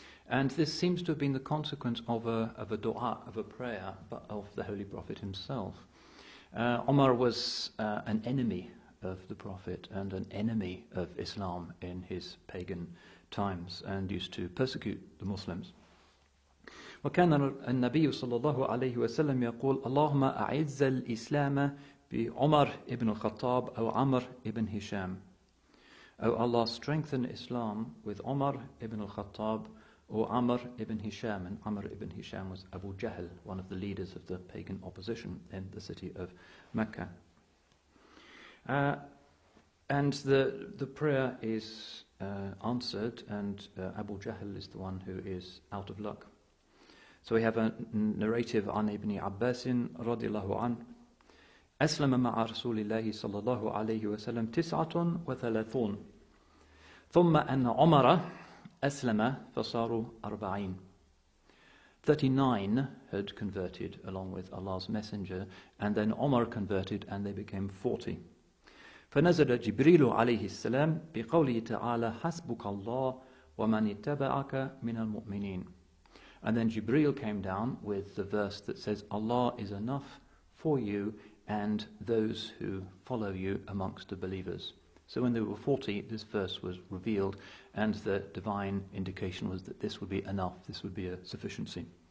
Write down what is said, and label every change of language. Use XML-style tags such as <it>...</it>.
<en>And this seems to have been the consequence of a dua, of a prayer, but of the Holy Prophet himself. Omar was an enemy of the Prophet and an enemy of Islam in his pagan times, and used to persecute the Muslims.</en> <ar>وكان النبي صلى الله عليه وسلم يقول اللهم أعز الإسلام بعمر ابن الخطاب أو عمر ابن هشام.</ar> <en>Oh Allah, strengthen Islam with Umar ibn al-Khattab or Amr ibn Hisham. And Amr ibn Hisham was Abu Jahl, one of the leaders of the pagan opposition in the city of Mecca. And the prayer is answered, and Abu Jahl is the one who is out of luck. So we have a narrative on Ibn Abbas radiallahu anhu.</en> <ar>أسلم مع رسول الله صلى الله عليه وسلم 39 ثم أن عمر أسلم فصاروا 40.</ar> <en>39 had converted along with Allah's messenger, and then Umar converted and they became 40.</en> <ar>فنزل جبريل عليه السلام بقوله تعالى حسبك الله ومن اتبعك من المؤمنين.</ar> <en>And then Jibril came down with the verse that says Allah is enough for you and those who follow you amongst the believers. So when they were 40, this verse was revealed, and the divine indication was that this would be enough, this would be a sufficiency.</en>